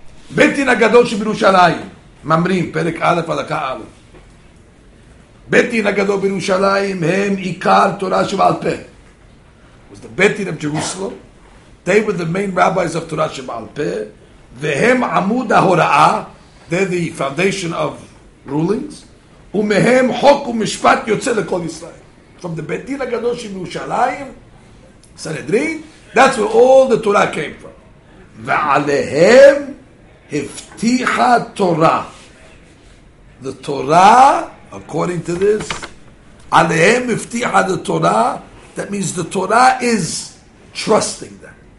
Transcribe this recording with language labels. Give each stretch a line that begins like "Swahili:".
Hebrew: בית דין הגדול שבירושלים, ממרים, פרק א' הלכה א'. בית דין הגדול בירושלים הם עיקר תורה שבעל פה.
English: It was the בית דין of Jerusalem. They were the main rabbis of תורה שבעל פה.
Hebrew: והם עמוד ההוראה,
English: they're the foundation of rulings.
Hebrew: ומהם חוק ומשפט יוצא לכל ישראל.
English: From the בית דין הגדול שבירושלים, סנהדרין, that's where all the Torah came from.
Hebrew: ועליהם Hiftiha Torah.
English: The Torah, according to this, Alehem Hiftiha the Torah, that means the Torah is trusting them.